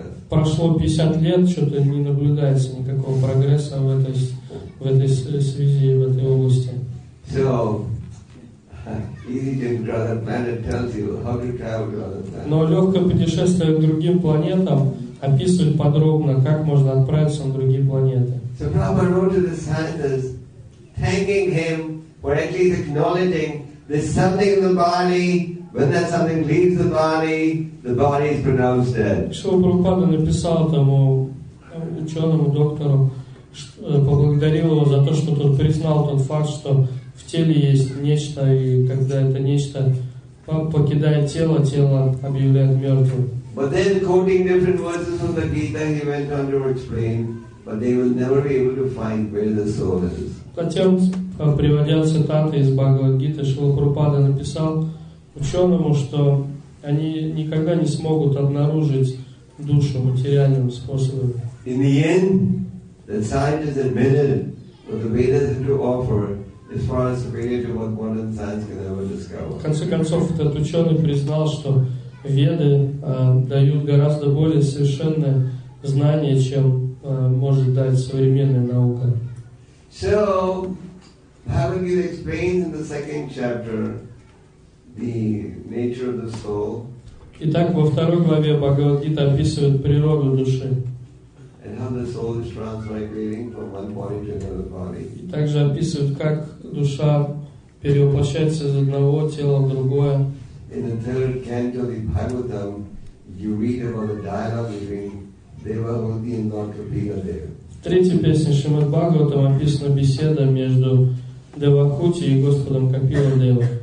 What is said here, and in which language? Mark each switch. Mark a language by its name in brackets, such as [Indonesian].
[Russian] Прошло 50 лет, что-то не наблюдается никакого прогресса в этой связи, в этой области. Но легкое путешествие к другим планетам описывает подробно, как можно отправиться на другие планеты. [English] So Prabhupada wrote to the scientists, thanking him, or at least acknowledging there's something in the body. When that something leaves the body is pronounced dead. [Russian] Шрила Прабхупада написал этому ученому доктору, поблагодарил его за то, что тот признал тот факт, что в теле есть нечто, и когда это нечто покидает тело, тело объявляет мертвым. [English] But then, quoting different verses from the Gita, he went on to explain. But they will never be able to find where the soul is. [Russian] Затем, приводя цитаты из Бхагавад-гиты, Шрила Прабхупада написал ученому, что они никогда не смогут обнаружить душу материальным способом. [English] In the end, the scientists admitted that the Vedas have to offer is far superior to what modern science can ever discover. [Russian] В конце концов, этот ученый признал, что Веды дают гораздо более совершенное знание, чем может дать современная наука. [English] So, Bhagavad-gita explains in the second chapter the nature of the soul. [Russian] Итак, во второй главе Бхагавад-гита описывает природу души. [English] And how the soul is transmigrating from one body to another body. [Russian] И также описывает, как душа перевоплощается из одного тела в другое. [English] In the third canto of the Bhagavatam, you read about the dialogue between [Russian] В третьей песне Шримад Бхагаватам описана беседа между Девахути и Господом Капиладева.